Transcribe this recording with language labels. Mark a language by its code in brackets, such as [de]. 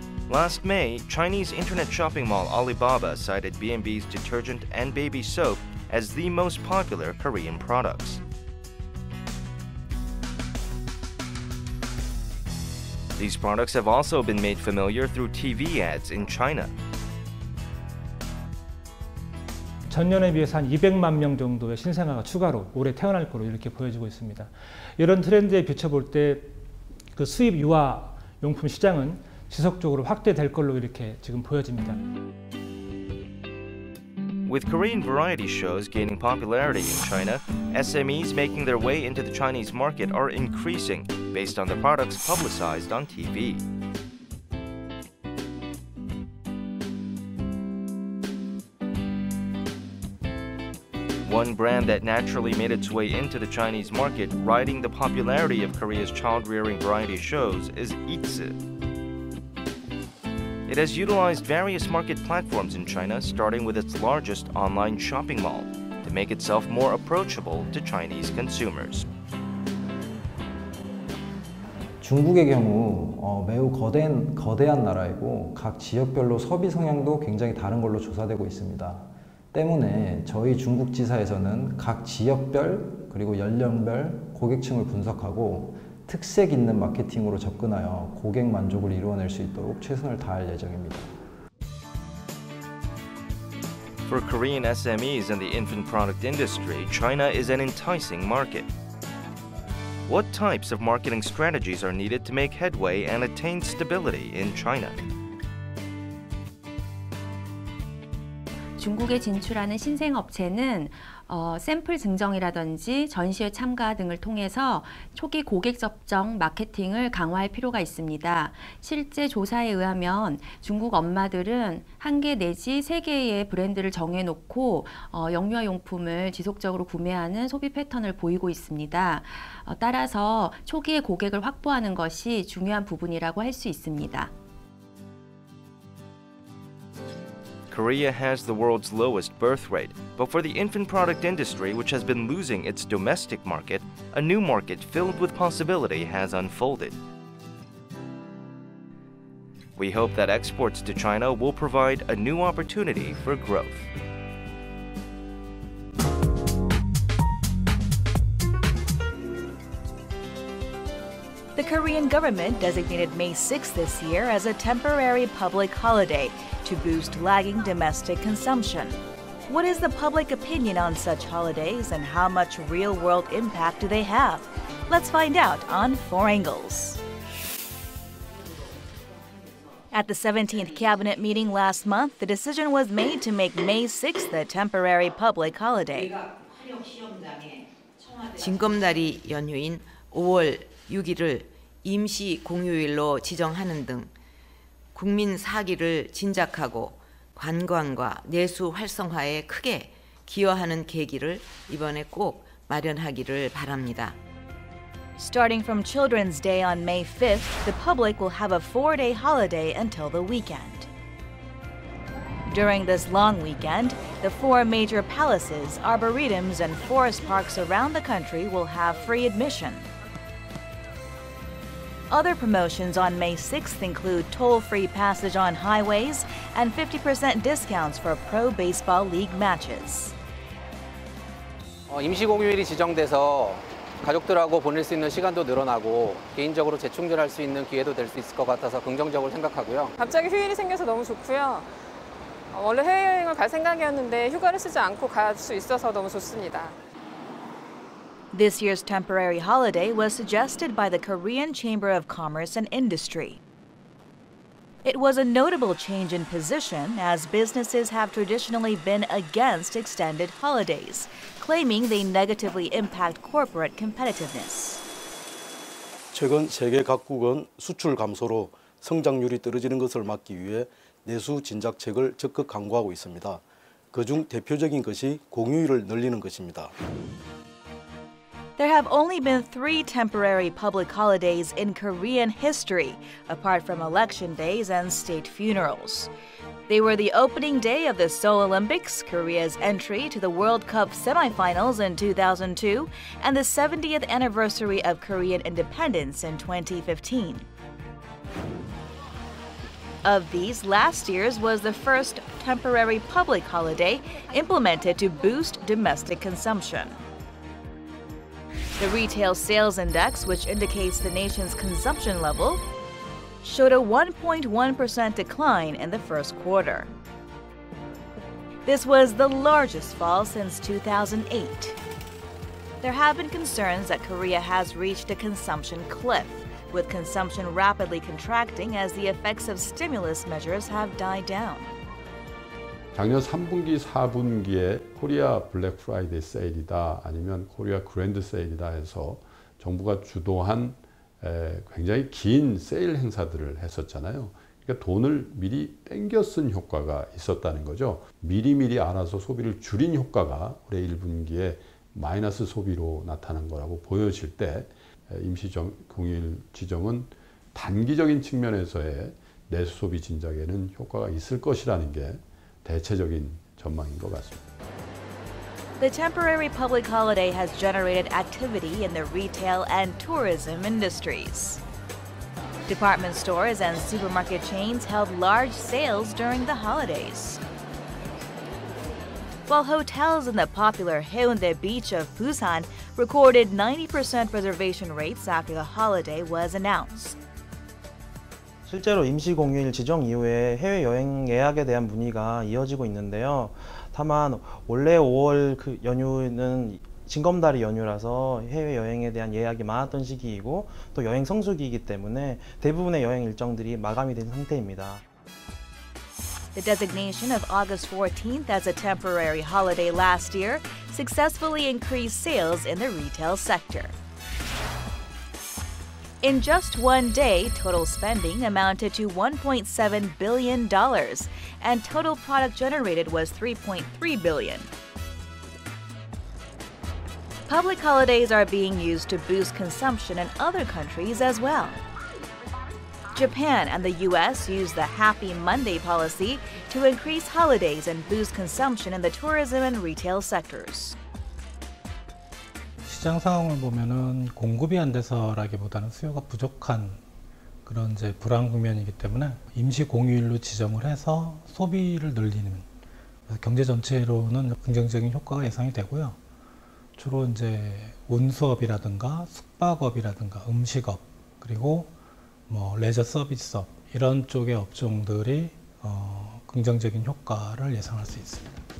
[en] Last May, Chinese internet shopping mall Alibaba cited B&B's detergent and baby soap as the most popular Korean products. These products have also been made familiar through TV ads in China. [ko] 전년에 비해서 한 200만 명 정도의 신생아가 추가로 올해 태어날 것으로 이렇게 보여지고 있습니다. 이런 트렌드에 비춰볼 때 그 수입 유아 용품 시장은 지속적으로 확대될 걸로 이렇게 지금 보여집니다. [en] With Korean variety shows gaining popularity in China, SMEs making their way into the Chinese market are increasing based on the products publicized on TV. 1 brand that naturally made its way into the Chinese market riding the popularity of Korea's child-rearing variety shows is Itsu. It has utilized various market platforms in China, starting with its largest online shopping mall, to make itself more approachable to Chinese consumers. [ko] 중국의 경우 매우 거대한 나라이고 각 지역별로 소비 성향도 굉장히 다른 걸로 조사되고 있습니다. 때문에 저희 중국 지사에서는 각 지역별 그리고 연령별 고객층을 분석하고 특색 있는 마케팅으로 접근하여 고객 만족을 이루어낼 수 있도록 최선을 다할 예정입니다. [en] For Korean SMEs and the infant product industry, China is an enticing market. What types of marketing strategies are needed to make headway and attain stability in China? [ko] 중국에 진출하는 신생 업체는 샘플 증정이라든지 전시회 참가 등을 통해서 초기 고객 접점 마케팅을 강화할 필요가 있습니다. 실제 조사에 의하면 중국 엄마들은 1개 내지 3개의 브랜드를 정해놓고 영유아 용품을 지속적으로 구매하는 소비 패턴을 보이고 있습니다. 따라서 초기에 고객을 확보하는 것이 중요한 부분이라고 할 수 있습니다. [en] Korea has the world's lowest birth rate, but for the infant product industry, which has been losing its domestic market, a new market filled with possibility has unfolded. We hope that exports to China will provide a new opportunity for growth. The Korean government designated May 6 this year as a temporary public holiday to boost lagging domestic consumption. What is the public opinion on such holidays and how much real-world impact do they have? Let's find out on Four Angles. At the 17th cabinet meeting last month, the decision was made to make May 6th a temporary public holiday. [ko] 징검다리 연휴인 5월 6일을 임시 공휴일로 지정하는 등 국민 사기를 진작하고 관광과 내수 활성화에 크게 기여하는 계기를 이번에 꼭 마련하기를 바랍니다. [en] Starting from Children's Day on May 5th, the public will have a four-day holiday until the weekend. During this long weekend, the four major palaces, arboretums, and forest parks around the country will have free admission. Other promotions on May 6th include toll-free passage on highways and 50% discounts for pro baseball league matches. [ko] 임시 공휴일이 지정돼서 가족들하고 보낼 수 있는 시간도 늘어나고 개인적으로 재충전할 수 있는 기회도 될 수 있을 것 같아서 긍정적으로 생각하고요. 갑자기 휴일이 생겨서 너무 좋고요. 원래 해외여행을 갈 생각이었는데 휴가를 쓰지 않고 갈 수 있어서 너무 좋습니다. [en] This year's temporary holiday was suggested by the Korean Chamber of Commerce and Industry. It was a notable change in position as businesses have traditionally been against extended holidays, claiming they negatively impact corporate competitiveness. [ko] 최근 세계 각국은 수출 감소로 성장률이 떨어지는 것을 막기 위해 내수 진작책을 적극 강구하고 있습니다. 그중 대표적인 것이 공휴일을 늘리는 것입니다. [en] There have only been three temporary public holidays in Korean history, apart from election days and state funerals. They were the opening day of the Seoul Olympics, Korea's entry to the World Cup semifinals in 2002, and the 70th anniversary of Korean independence in 2015. Of these, last year's was the first temporary public holiday implemented to boost domestic consumption. The retail sales index, which indicates the nation's consumption level, showed a 1.1% decline in the first quarter. This was the largest fall since 2008. There have been concerns that Korea has reached a consumption cliff, with consumption rapidly contracting as the effects of stimulus measures have died down. [ko] 작년 3분기, 4분기에 코리아 블랙 프라이데이 세일이다 아니면 코리아 그랜드 세일이다 해서 정부가 주도한 굉장히 긴 세일 행사들을 했었잖아요. 그러니까 돈을 미리 땡겨 쓴 효과가 있었다는 거죠. 미리미리 알아서 소비를 줄인 효과가 올해 1분기에 마이너스 소비로 나타난 거라고 보여질 때 임시공휴일 지정은 단기적인 측면에서의 내수 소비 진작에는 효과가 있을 것이라는 게 대체적인 전망인 것 같습니다. [en] The temporary public holiday has generated activity in the retail and tourism industries. Department stores and supermarket chains held large sales during the holidays. While hotels in the popular Haeundae Beach of Busan recorded 90% reservation rates after the holiday was announced. [ko] 실제로 임시공휴일 지정 이후에 해외여행 예약에 대한 문의가 이어지고 있는데요. 다만 원래 5월 그 연휴는 징검다리 연휴라서 해외여행에 대한 예약이 많았던 시기이고 또 여행 성수기이기 때문에 대부분의 여행 일정들이 마감이 된 상태입니다. [en] The designation of August 14th as a temporary holiday last year successfully increased sales in the retail sector. In just one day, total spending amounted to $1.7 billion, and total product generated was $3.3 billion. Public holidays are being used to boost consumption in other countries as well. Japan and the U.S. use the Happy Monday policy to increase holidays and boost consumption in the tourism and retail sectors. [ko] 시장 상황을 보면은 공급이 안 돼서라기보다는 수요가 부족한 그런 이제 불안 국면이기 때문에 임시 공휴일로 지정을 해서 소비를 늘리는 경제 전체로는 긍정적인 효과가 예상이 되고요. 주로 이제 운수업이라든가 숙박업이라든가 음식업 그리고 뭐 레저 서비스업 이런 쪽의 업종들이 긍정적인 효과를 예상할 수 있습니다.